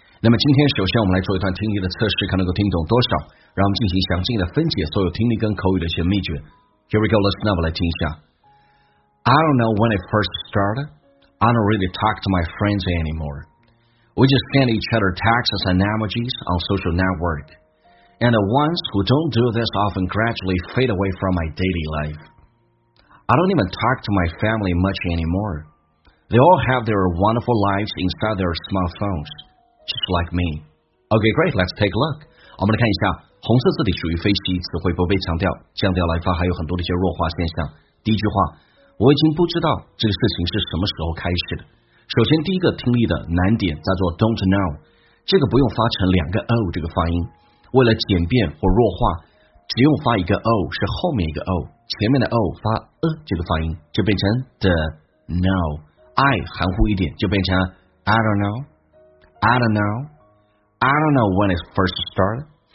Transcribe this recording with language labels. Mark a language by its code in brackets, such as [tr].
[zh] 那么今天首先我们来做一段听力的测试，看能够听懂多少。让我们进行详尽的分解所有听力跟口语的一些秘诀。 [en] Here we go, listen up， [zh] 来听一下。 [en] I don't know when it first started. I don't really talk to my friends anymore. We just send each other texts and emojis on social network. And the ones who don't do this often gradually fade away from my daily life. I don't even talk to my family much anymore. They all have their wonderful lives inside their smartphones, just like me. Okay, great, let's take a look. [zh] 我们来看一下，红色字体属于非习词汇，不被强调，降调来发还有很多的一些弱化现象。第一句话，我已经不知道这个事情是什么时候开始的。首先第一个听力的难点叫做 don't know， 这个不用发成两个 o 这个发音，为了简便或弱化，只用发一个 o， 是后面一个 o，前面的 o 发这个发音就变成 the know， I 含糊一点就变成 [en] I don't know， I don't know， I don't know when it first started。